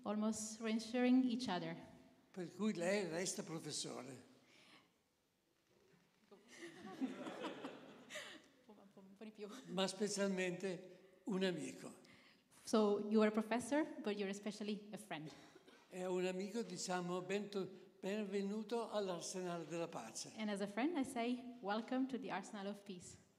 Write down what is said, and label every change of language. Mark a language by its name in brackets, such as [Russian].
[English] Almost reassuring each other. [Italian] Per cui lei resta professore. Ma specialmente un amico. [English] So you are a professor, but you're especially a friend. [Italian] È un amico, diciamo, benvenuto all'arsenale della pace. [English] And as a friend, I say, welcome to the arsenal of peace.